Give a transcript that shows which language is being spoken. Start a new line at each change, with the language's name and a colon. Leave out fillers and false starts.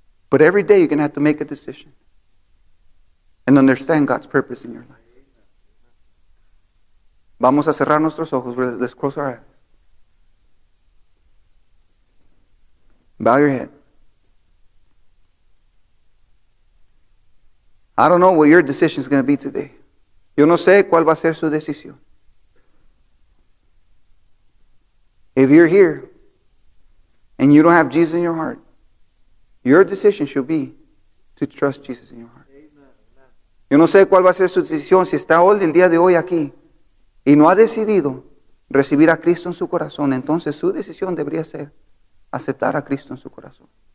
English: But every day you're going to have to make a decision and understand God's purpose in your life.
Spanish: Vamos a cerrar nuestros ojos.
English: Let's close our eyes. Bow your head. I don't know what your decision is going to be today.
Spanish: Yo no sé cuál va a ser su decisión.
English: If you're here and you don't have Jesus in your heart, your decision should be to trust Jesus in your heart. Amen.
Spanish: Yo no sé cuál va a ser su decisión si está hoy, el día de hoy aquí, y no ha decidido recibir a Cristo en su corazón. Entonces su decisión debería ser aceptar a Cristo en su corazón.